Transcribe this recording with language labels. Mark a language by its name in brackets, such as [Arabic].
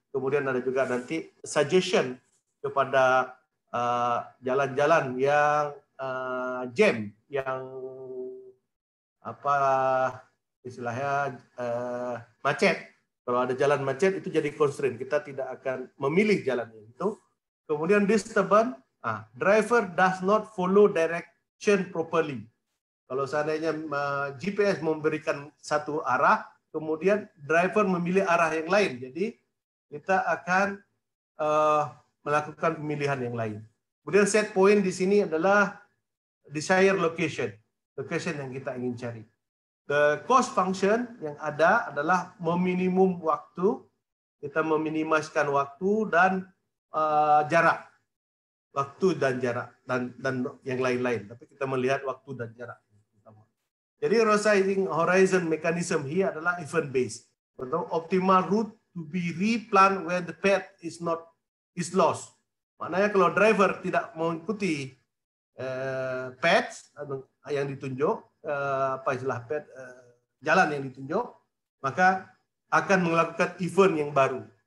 [Indonesian] Kemudian ada juga nanti suggestion kepada jalan-jalan yang jam, yang apa istilahnya macet. Kalau ada jalan macet itu jadi constraint, kita tidak akan memilih jalan itu. Kemudian [English] disturbance, driver does not follow direction properly. [Indonesian] Kalau seandainya GPS memberikan satu arah, kemudian driver memilih arah yang lain, jadi kita akan melakukan pemilihan yang lain. Kemudian set point di sini adalah [English] desired location, [Indonesian] location yang kita ingin cari. [English] The cost function [Indonesian] yang ada adalah meminimum waktu, kita meminimaskan waktu dan jarak, waktu dan jarak dan yang lain-lain. Tapi kita melihat waktu dan jarak. Jadi [English] resizing horizon mechanism here [Indonesian] adalah event based. [English] Atau optimal route to be replanned when the path is not is lost. [Indonesian] Maknanya kalau driver tidak mengikuti path yang ditunjuk, apa istilah path jalan yang ditunjuk, maka akan melakukan event yang baru.